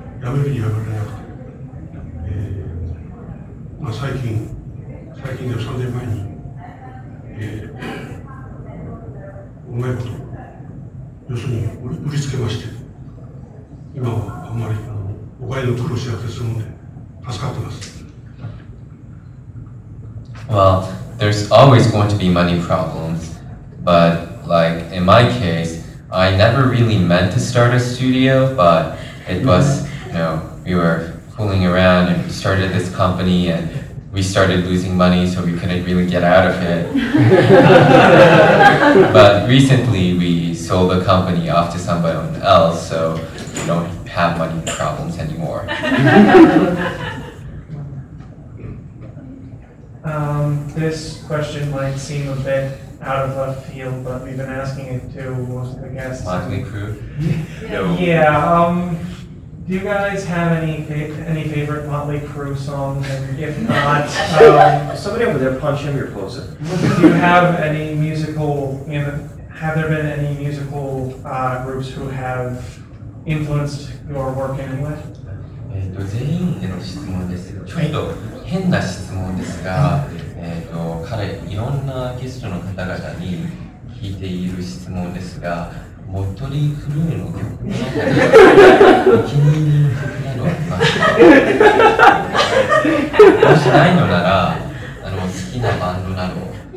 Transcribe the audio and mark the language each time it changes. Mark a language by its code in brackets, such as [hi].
[ja] やめるにやめられなくて、まあ、最近では3年前に、うまいこと要するに売りつけまして、今はあんまりお金の苦労しなくて済むので助かってます。 [en] Well, there's always going to be money problems, but like in my case, I never really meant to start a studio, but it was, you know, we were fooling around and we started this company and we started losing money so we couldn't really get out of it. But recently we sold the company off to someone else, so we don't have money problems anymore. This question might seem a bit out of left field, but we've been asking it to most of the guests. Motley Crue? Do you guys have any favorite Motley Crue songs? And if not, somebody over there, punch him, you're closer. Do you have any musical, you know, have there been any musical groups who have influenced your work in any way? [ja] 全員への質問ですけど、ちょっと変な質問ですが、彼、いろんなゲストの方々に聞いている質問ですが、モトリークルーの曲の中でお気に入りの曲などありますか？もしないのなら、好きなバンドなど。